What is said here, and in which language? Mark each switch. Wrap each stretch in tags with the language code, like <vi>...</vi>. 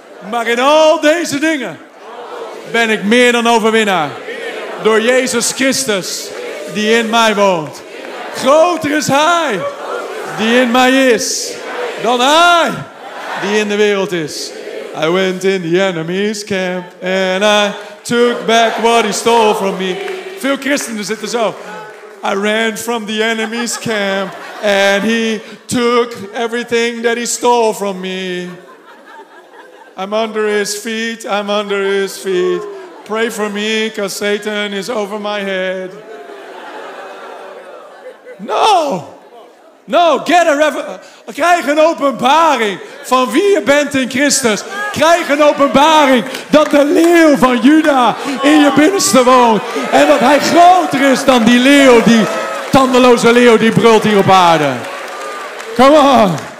<nl>Maar in al deze dingen ben ik meer dan overwinnaar. Door Jezus Christus die in mij woont. Groter is Hij die in mij is dan Hij die in de wereld is.</nl> <en>I went in the enemy's camp and I took back what he stole from me.</en> <nl>Veel christenen zitten zo.</nl> <en>I ran from the enemy's camp and he took everything that he stole from me. I'm under his feet, I'm under his feet. Pray for me, because Satan is over my head. No! No, get a revelation.</en> <nl>Krijg een openbaring van wie je bent in Christus. Krijg een openbaring dat de leeuw van Juda in je binnenste woont. En dat hij groter is dan die leeuw, die tandeloze leeuw die brult hier op aarde.</nl> <en>Come on!</en>